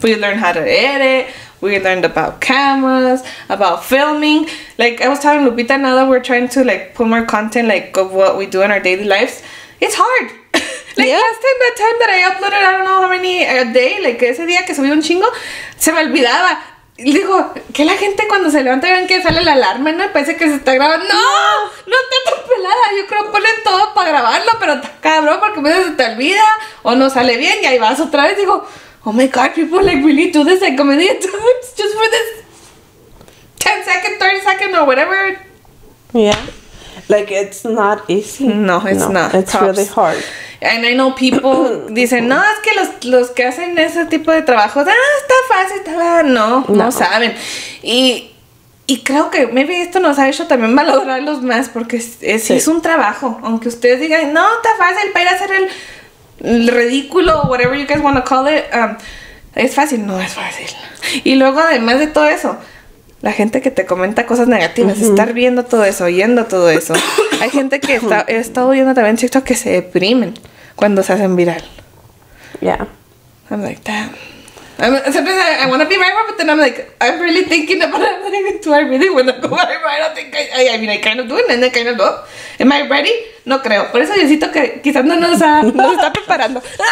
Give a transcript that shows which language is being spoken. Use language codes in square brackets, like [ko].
[en] We learned how to edit. We learned about cameras, about filming. Like, I was telling Lupita, now that we're trying to, like, put more content, like, of what we do in our daily lives, it's hard. Like, last time, that time that I uploaded, I don't know how many a day, like, [es] ese día que subí un chingo, se me olvidaba. Y digo, que la gente cuando se levanta vean que sale la alarma, ¿no? Parece que se está grabando. ¡No! ¡No está pelada! Yo creo que ponen todo para grabarlo, pero está cabrón porque a veces se te olvida o no sale bien y ahí vas otra vez. Digo, [en] oh my God, people like really do this like a million times just for this 10 second, 30 second or whatever. Yeah. Like, it's not easy. No, it's not. It's props. Really hard. And I know people [es] dicen, no, es que los que hacen ese tipo de trabajo, ah, está fácil, está bien. No, no saben. Y creo que maybe esto nos ha hecho también valorarlos más, porque es un trabajo. Aunque ustedes digan, no, está fácil para ir a hacer el ridículo, [en] whatever you guys want to call it, [es] es fácil, no es fácil. Y luego, además de todo eso, la gente que te comenta cosas negativas, estar viendo todo eso, oyendo todo eso. Hay gente que está, he estado viendo también TikTok que se deprimen cuando se hacen viral. [en] Yeah. I'm like, damn. Sometimes I want to be viral, but then I'm like, I'm really thinking about it. Do I really want to go viral? I don't think I kind of do it, and I kind of don't. Am I ready? [es] No creo. Por eso necesito que quizás no nos, nos está preparando.